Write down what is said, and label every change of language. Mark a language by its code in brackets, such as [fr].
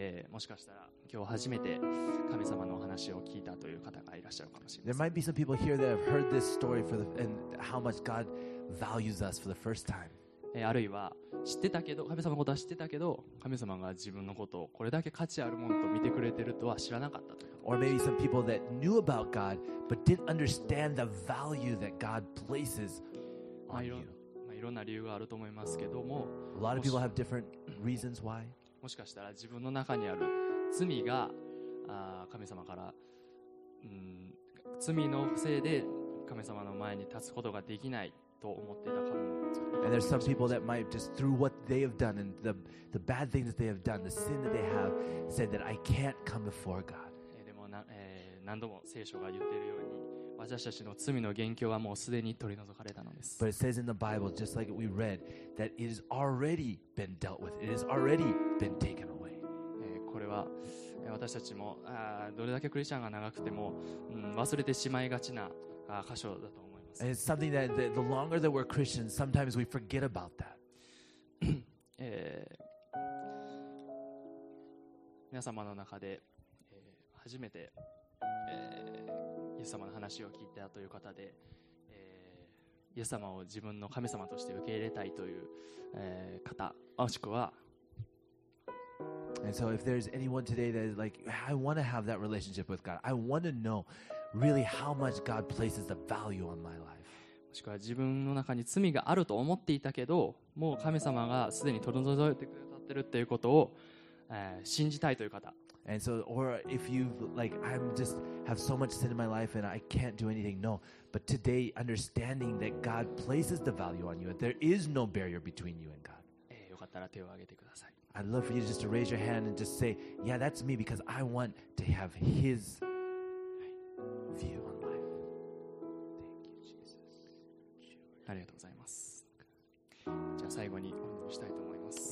[ja] もしかしたら今日初めて神様のお話を聞いたという方がいらっしゃるかもしれません。 [en] There might be some people here that have heard this story for the, and how much God values us for the first time. [ja] あるいは知ってたけど神様のことは知ってたけど神様が自分のことをこれだけ価値あるものと見てくれてるとは知らなかったというか。 [en] Or maybe some people that knew about God but didn't understand the value that God places on you. [ja] いろんな理由があると思いますけども。 [en] A lot of people have different reasons why. [ja] もしかしたら自分の中にある罪が神様から、罪のせいで神様の前に立つことができないと思っていたかも。 [en] And there's some people that might just through what they have done and the bad things that they have done, the sin that they have, said that I can't come before God. [ja] でも何度も聖書が言っているように私たちの罪の元凶はもうすでに取り除かれたのです。 [en] But it says in the Bible, just like we read, that it has already been dealt with. It has already been taken away. [ja] これは私たちもどれだけクリスチャンが長くても忘れてしまいがちな箇所だと思います。 [en] It's something that the longer that we're Christians, sometimes we forget about that. [ja] 皆様の中で初めて。イエス様の話を聞いたという方で、イエス様を自分の神様として受け入れたいという、方、もしくは、 [en] And so if there's anyone today that is like, I want to have that relationship with God. I want to know really how much God places the value on my life. [ja] もしくは自分の中に罪があると思っていたけど、もう神様がすでに取り除いてくださってるということを、信じたいという方。 [en] And so, or if you like, I'm just have so much sin in my life and I can't do anything. No, but today, understanding that God places the value on you, that there is no barrier between you and God. [ja] よかったら手を挙げてください。 [en] I'd love for you just to raise your hand and just say, yeah, that's me because I want to have His view on life. Thank you, Jesus. [ja] ありがとうございます。じゃあ最後にお祈りしたいと思います。